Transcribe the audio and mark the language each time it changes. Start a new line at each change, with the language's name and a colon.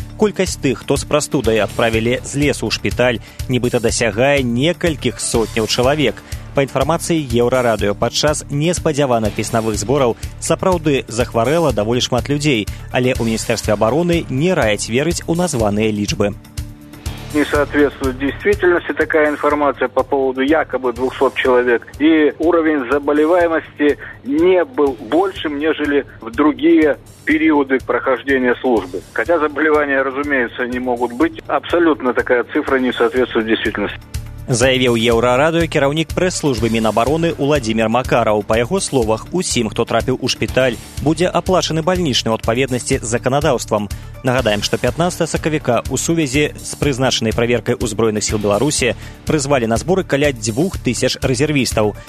Belarusian: Колькасць тых, хто з прастудай адправілі з лесу ў шпіталь, нібыта дасягае некалькіх сотняў чалавек. Па інфармацыі Еўрарадыё, падчас неспадзяваных веснавых збораў сапраўды захварэла даволі шмат людзей, але ў Міністэрстве абароны не раяць верыць у названыя лічбы.
Russian: Не соответствует действительности такая информация по поводу якобы 200 человек. И уровень заболеваемости не был большим, нежели в другие периоды прохождения службы. Хотя заболевания, разумеется, не могут быть. Абсолютно такая цифра не соответствует действительности.
Belarusian: Заявіў Еўрарадыё кіраўнік прэс-службы Мінабароны Уладзімір Макараў. Па яго словах, усім, хто трапіў у шпіталь, будзе аплачаны бальнічны ў адпаведнасці з заканадаўствам. Нагадаем, што 15 сакавіка у сувязі з прызначанай праверкай Узброеных сіл Беларусі прызвалі на зборы каля 2000 рэзервістаў.